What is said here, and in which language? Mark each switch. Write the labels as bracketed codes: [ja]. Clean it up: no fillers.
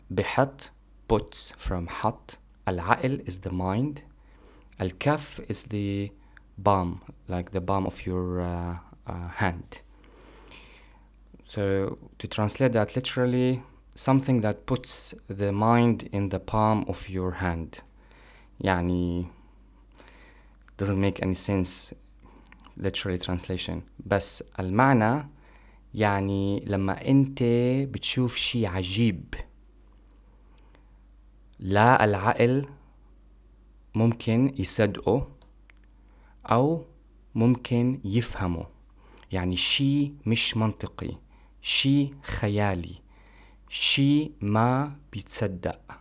[en] بحط puts from حط. العقل is the mind. الكف is the palm, like the palm of your hand. So to translate that literally, something that puts the mind in the palm of your hand. يعني doesn't make any sense literally translation. [ar] بس المعنى يعني لما انت بتشوف شيء عجيب لا العقل ممكن يصدقه او ممكن يفهمه، يعني شيء مش منطقي، شيء خيالي، شيء ما بيتصدق.